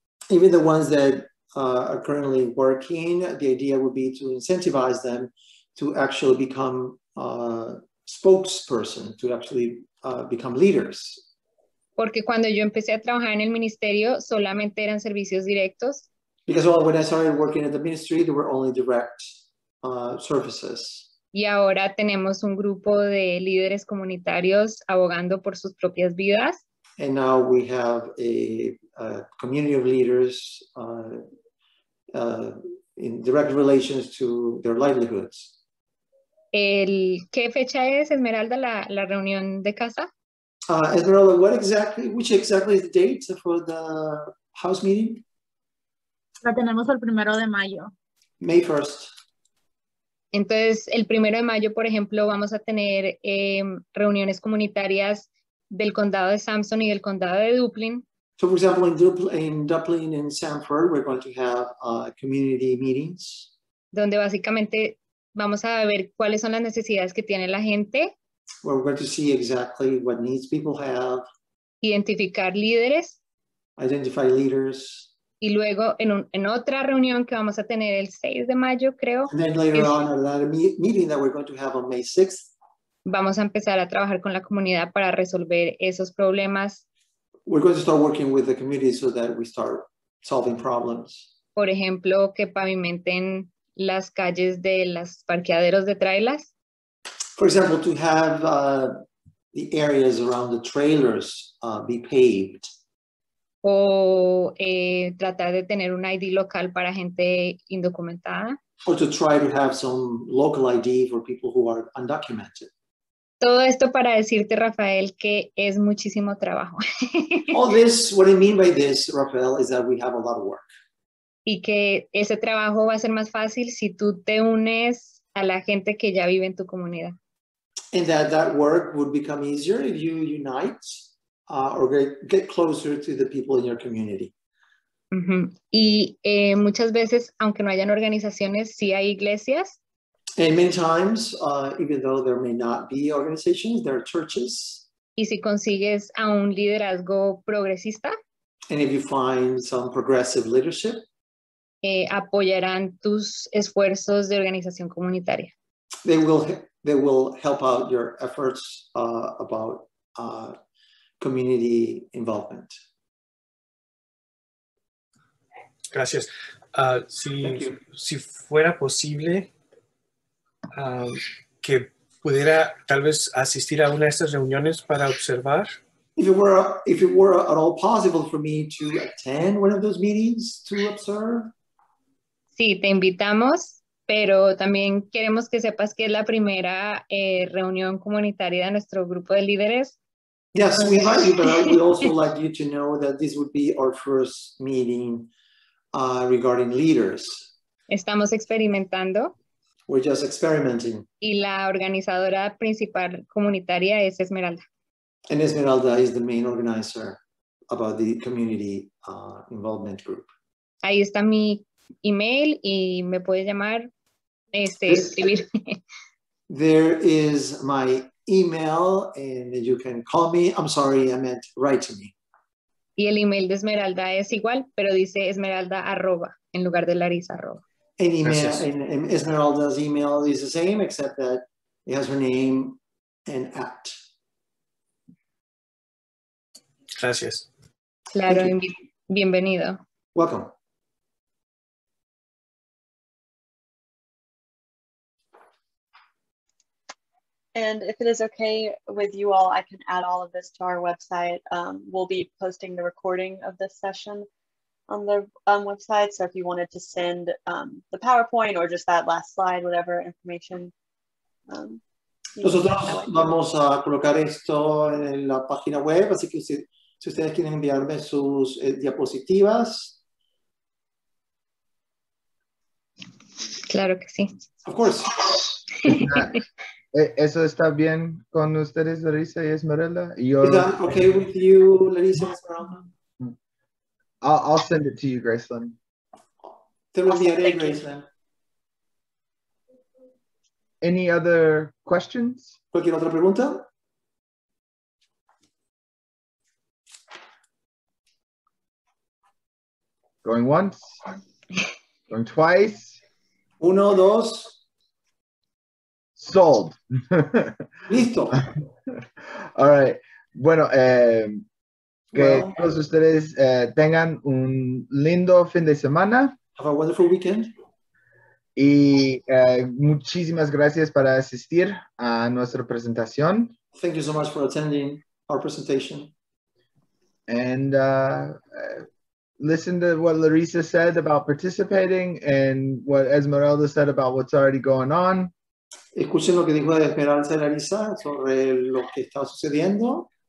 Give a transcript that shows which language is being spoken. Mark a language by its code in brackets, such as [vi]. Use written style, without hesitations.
[en] Even the ones that are currently working, the idea would be to incentivize them to actually become spokesperson, to actually become leaders. [es] Porque cuando yo empecé a trabajar en el ministerio, solamente eran servicios directos. [en] Because well, when I started working at the ministry, there were only direct services. [es] Y ahora tenemos un grupo de líderes comunitarios abogando por sus propias vidas. [en] And now we have a community of leaders in direct relations to their livelihoods. [es] ¿Qué fecha es, Esmeralda, la reunión de casa? [en] Esmeralda, which exactly is the date for the house meeting? [es] La tenemos el primero de mayo. [en] May 1st. [es] Entonces, el primero de mayo, por ejemplo, vamos a tener reuniones comunitarias del condado de Sampson y del condado de Dublin. [en] So, for example, in Dublin and Sanford, we're going to have community meetings. [es] Donde básicamente vamos a ver cuáles son las necesidades que tiene la gente. [en] Where we're going to see exactly what needs people have. [es] Identificar líderes. [en] Identify leaders. [es] Y luego en otra reunión que vamos a tener el 6 de mayo, creo. [en] And then later on, another meeting that we're going to have on May 6th. [es] Vamos a empezar a trabajar con la comunidad para resolver esos problemas. [en] We're going to start working with the community so that we start solving problems. [es] Por ejemplo, que pavimenten las calles de los parqueaderos de trailers. [en] For example, to have the areas around the trailers be paved. [es] O tratar de tener un ID local para gente indocumentada. [en] Or to try to have some local ID for people who are undocumented. [es] Todo esto para decirte, Rafael, que es muchísimo trabajo. [en] All this, what I mean by this, Rafael, is that we have a lot of work. [es] Y que ese trabajo va a ser más fácil si tú te unes a la gente que ya vive en tu comunidad. [en] And that work would become easier if you unite or get closer to the people in your community. Mm-hmm. [es] Y muchas veces, aunque no hayan organizaciones, sí hay iglesias. [en] And many times, even though there may not be organizations, there are churches. [es] ¿Y si consigues a un liderazgo progresista? [en] And if you find some progressive leadership, [es] apoyarán tus esfuerzos de organización comunitaria. [en] They will help out your efforts about community involvement. [es] Gracias. Si fuera posible, que pudiera tal vez asistir a una de estas reuniones para observar. [en] If it were at all possible for me to attend one of those meetings to observe. [es] Sí, te invitamos, pero también queremos que sepas que es la primera reunión comunitaria de nuestro grupo de líderes. [en] Yes, we invite you, but I would also like you to know that this would be our first meeting regarding leaders. [es] Estamos experimentando. [en] We're just experimenting. [es] Y la organizadora principal comunitaria es Esmeralda. [en] And Esmeralda is the main organizer about the community involvement group. [es] Ahí está mi email y me puedes llamar, escribir. [en] There is my email and you can call me. I'm sorry, I meant write to me. [es] Y el email de Esmeralda es igual, pero dice esmeralda@. en lugar de Larissa Rojo. [en] And email, and Esmeralda's email is the same, except that it has her name and @. [es] Gracias. Claro, bienvenido. [en] Welcome. And if it is okay with you all, I can add all of this to our website. We'll be posting the recording of this session on the website. So if you wanted to send the PowerPoint or just that last slide, whatever information. [es] Nosotros vamos a colocar esto en la página web. Así que si ustedes quieren enviarme sus diapositivas. Claro que sí. [en] Of course. [es] ¿Eso está bien con ustedes, Larissa y Esmeralda? [en] Is that okay with you, Larissa and Esmeralda? I'll send it to you, Gracelyn. [es] Te lo enviaré, Gracelyn. [en] Any other questions? [es] ¿Cualquier otra pregunta? [en] Going once. Going twice. [es] Uno, dos. [en] Sold. [es] Listo. [en] All right. [es] Bueno, que well, todos ustedes tengan un lindo fin de semana. [en] Have a wonderful weekend. [es] Y muchísimas gracias para asistir a nuestra presentación. [en] Thank you so much for attending our presentation. And listen to what Larissa said about participating and what Esmeralda said about what's already going on. [es] Escuchen lo que dijo de Esperanza y Larissa sobre lo que está sucediendo.